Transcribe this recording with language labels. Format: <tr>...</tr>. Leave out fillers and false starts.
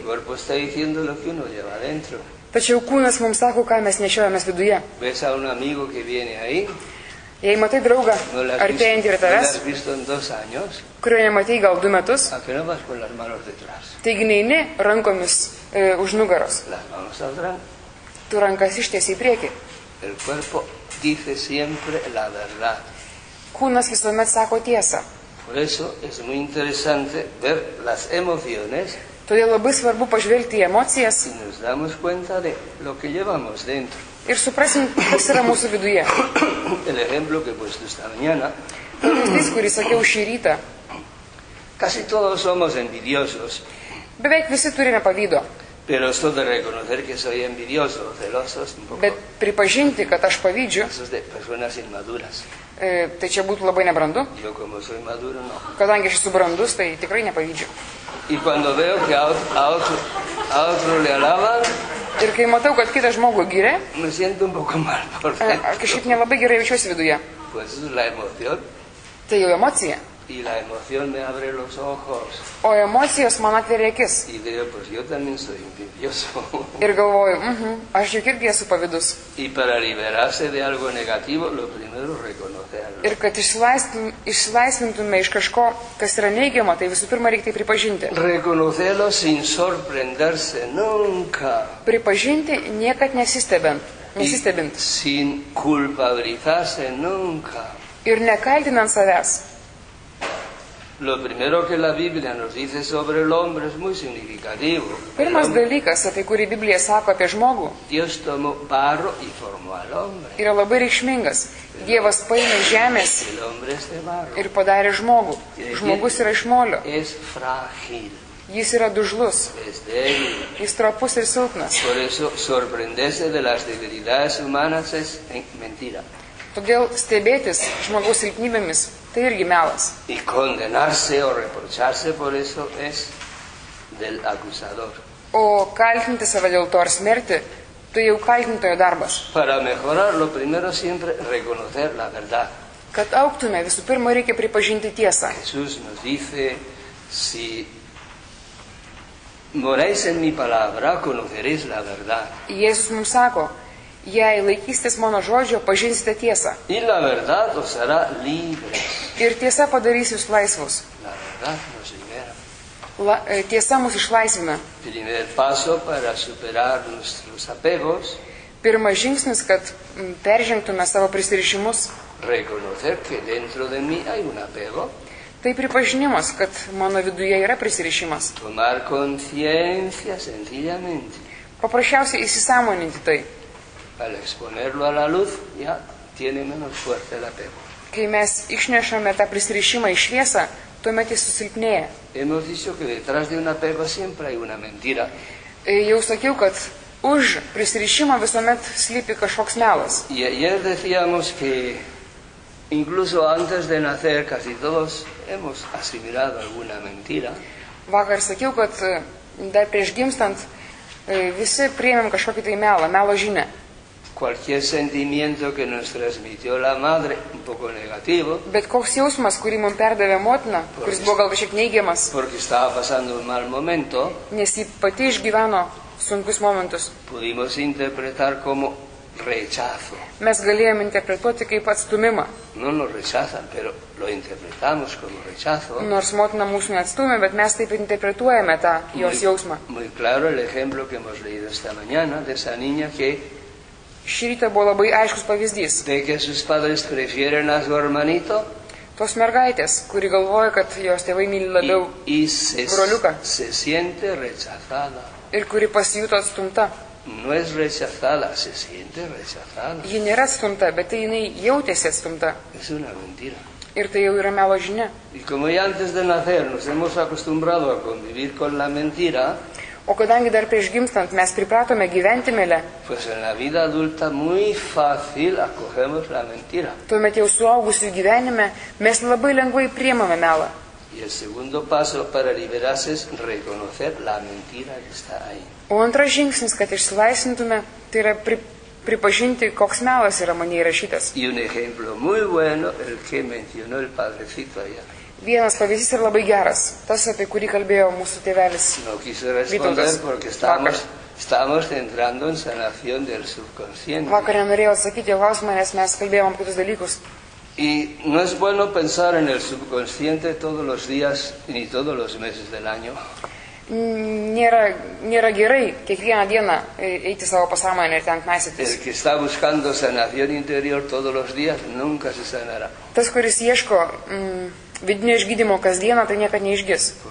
<es>El cuerpo está diciendo lo que uno lleva adentro.</es> <lt>Tačiau kūnas mums sako, ką mes nešiojame viduje.</lt> <es>Ves a un amigo que viene ahí.</es> <lt>Jei matai draugą,</lt> <es>no</es> <lt>artėjant ir tavęs,</lt> <es>no visto en dos años,</es> <lt>kurio nematai gal du metus,</lt> <es>¿a que no vas con las manos detrás?</es> <lt>Taigi neini rankomis už nugaros.</lt> <es>Las manos saldrán.</es> <lt>Tu rankas ištiesi į priekį.</lt> <es>El cuerpo dice siempre la verdad.</es> <lt>Kūnas visuomet sako tiesą.</lt> <es>Por eso es muy interesante ver las emociones.</es> <lt>Todėl labai svarbu pažvelgti į emocijas.</lt> <es>Y nos damos cuenta de lo que llevamos dentro.</es> <lt>Ir suprasim, kas yra mūsų viduje.</lt> <es>El ejemplo que he puesto esta mañana.</es> <lt>Pavyzdys, kurį sakiau šį rytą.</lt> <es>Casi todos somos envidiosos.</es> <lt>Beveik visi turime pavydo.</lt> <es>Pero esto de reconocer que soy envidioso, celoso, es un poco...</es> <lt>Bet pripažinti, kad aš pavydžiu...</lt> <es>Eso es de personas inmaduras.</es> <lt>Tai čia būtų labai nebrandu.</lt> <es>Yo como soy maduro, no.</es> <lt>Kadangi aš esu brandus, tai tikrai nepavydžiu.</lt> <es>Y cuando veo que a otro le alaban...</es> <lt>Ir kai matau, kad kitą žmogų gyrė...</lt> <es>Me siento un poco mal por dentro.</es> <lt>Kažkaip nelabai gerai jaučiuosi viduje.</lt> <es>Pues es la emoción.</es> <lt>Tai jau emocija.</lt> <es>Y la emoción me abre los ojos.</es> <lt>O emocijos man atveria akis.</lt> <es>Y digo, pues yo también soy envidioso.</es> <lt>Ir galvoju, aš juk irgi esu pavydus.</lt> <es>Y para liberarse de algo negativo, lo primero es reconocerlo.</es> <lt>Ir kad išsilaisvintume iš kažko, kas yra neigiama, tai visų pirma reikia tai pripažinti.</lt> <es>Reconocerlo sin sorprenderse nunca.</es> <lt>Pripažinti niekad nesistebint.</lt> <es>Y sin culpabilizarse nunca.</es> <lt>Ir nekaltinant savęs.</lt> <es>Lo primero que la Biblia nos dice sobre el hombre es muy significativo.</es> <lt>Pirmas dalykas, apie kurį Biblija sako apie žmogų.</lt> <es>Dios tomó barro y formó al hombre.</es> <lt>Yra labai reikšmingas. Dievas paėmė žemės ir padarė žmogų. Žmogus yra iš molio.</lt> <es>Es frágil.</es> <lt>Jis yra dužlus.</lt> <es>Es débil.</es> <lt>Jis trapus ir silpnas.</lt> <es>Por eso sorprenderse de las debilidades humanas es mentira.</es> <lt>Todėl stebėtis žmogaus silpnybėmis, tai irgi melas.</lt> <es>Y condenarse o reprocharse por eso es del acusador.</es> <lt>O kaltinti save dėl to ar smerti, tai jau kaltintojo darbas.</lt> <es>Para mejorar, lo primero siempre reconocer la verdad.</es> <lt>Kad auktume, visų pirma reikia pripažinti tiesą.</lt> <es>Jesús nos dice, si moráis en mi palabra, conoceréis la verdad.</es> <lt>Jesús mums sako, jei laikysitės mano žodžio, pažinsite tiesą.</lt> <es>Y la verdad os hará libres.</es> <lt>Ir tiesa padarys jūs laisvus.</lt> <es>La verdad nos libera.</es> <lt>Tiesa mus išlaisvina.</lt> <es>Primer paso para superar nuestros apegos.</es> <lt>Pirmas žingsnis, kad peržengtume savo prisirišimus.</lt> <es>Reconocer que dentro de mí hay un apego.</es> <lt>Tai pripažinimas, kad mano viduje yra prisirišimas.</lt> <es>Tomar conciencia sencillamente.</es> <lt>Paprasčiausiai įsisąmoninti tai.</lt> <es>Al exponerlo a la luz, ya tiene menos fuerza el apego.</es> <lt>Kai mes išnešame tą prisirišimą į šviesą, tuomet jis susilpnėja.</lt> <es>Hemos dicho que detrás de un apego siempre hay una mentira.</es> <lt>Jau sakiau, kad už prisirišimą visuomet slypi kažkoks melas.</lt> <es>Y ayer decíamos que incluso antes de nacer casi todos hemos asimilado alguna mentira.</es> <lt>Vakar sakiau, kad dar prieš gimstant visi priėmėm kažkokį tai melą, melo žinę.</lt> <es>Cualquier sentimiento que nos transmitió la madre, un poco negativo.</es> <lt>Bet koks jausmas, kurį mums perdavė motina, kuris buvo gal kažkiek neigiamas.</lt> <es>Porque estaba pasando un mal momento.</es> <lt>Nes ji pati išgyveno sunkius momentus.</lt> <es>Pudimos interpretar como rechazo.</es> <lt>Mes galėjom interpretuoti kaip atstumimą.</lt> <es>No nos rechazan, pero lo interpretamos como rechazo.</es> <lt>Nors motina mūsų neatstumė, bet mes taip interpretuojame tą jos jausmą.</lt> <es>Muy claro el ejemplo que hemos leído esta mañana de esa niña que...</es> <lt>Šį rytą buvo labai aiškus pavyzdys.</lt> <es>De que sus padres prefieren a su hermanito.</es> <lt>Tos mergaitės, kuri galvoja, kad jos tėvai myli labiau broliuką.</lt> <es>Se siente rechazada.</es> <lt>Ir kuri pasijūtų atstumta.</lt> <es>No es rechazada, se siente rechazada.</es> <lt>Ji nėra atstumta, bet tai jinai jautėsi atstumta.</lt> <es>Es una mentira.</es> <lt>Ir tai jau yra melo žinia.</lt> <es>Y como ya antes de nacer nos hemos acostumbrado a convivir con la mentira.</es> <lt>O kadangi dar prieš gimstant mes pripratome gyventi melę.</lt> <es>Pues en la vida adulta muy fácil acogemos la mentira.</es> <lt>Tuomet jau suaugusių gyvenime mes labai lengvai priimame melą.</lt> <es>Y el segundo paso para liberarse es reconocer la mentira que está ahí.</es> <lt>O antras žingsnis, kad išsilaisvintume, tai yra pripažinti, koks melas yra mane įrašytas.</lt> <es>Y un ejemplo muy bueno, el que mencionó el padrecito allá.</es> <lt>Vienas pavyzdys yra labai geras, tas, apie kurį kalbėjo mūsų tėvelis.</lt> <es>No quiso responder porque estamos entrando en sanación del subconsciente.</es> <lt>Vakar nenorėjau atsakyti klausimą, nes mes kalbėjom kitus dalykus.</lt> <es>Y no es bueno pensar en el subconsciente todos los días ni todos los meses del año.</es> <lt>Nėra gerai kiekvieną dieną eiti savo pasąmonę ir ten knaisytis.</lt> <es>El que está buscando sanación interior todos los días nunca se sanará.</es> <lt>Tas, kuris ieško vidinio išgydymo kasdieną, tai niekad neišgis.</lt>